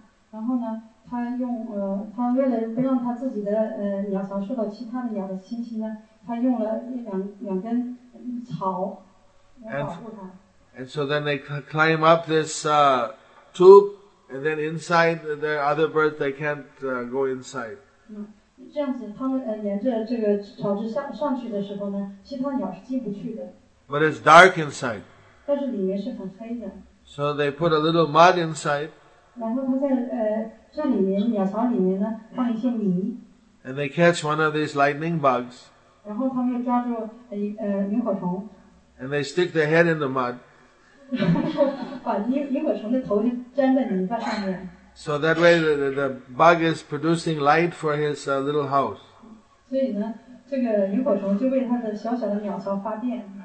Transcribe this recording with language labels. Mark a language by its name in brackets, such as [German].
[Chinese] 然后呢，他用他为了不让他自己的鸟巢受到其他的鸟的侵袭呢，他用了两根草来保护它。 [English] And so then they climb up this tube, and then inside there are other birds. They can't go inside. [Chinese] 这样子，他们沿着这个巢枝上去的时候呢，其他鸟是进不去的。 [English] But it's dark inside. [Chinese] 但是里面是很黑的。 [English] So they put a little mud inside. [Chinese] 然后他在这里面鸟巢里面呢放一些泥。 [English] And they catch one of these lightning bugs. [Chinese] 然后他们又抓住萤火虫。 [English] And they stick their head in the mud. [Chinese] 把萤火虫的头就粘在泥巴上面。 [English] So that way the bug is producing light for his little house. [Chinese] 所以呢，这个萤火虫就为他的小小的鸟巢发电。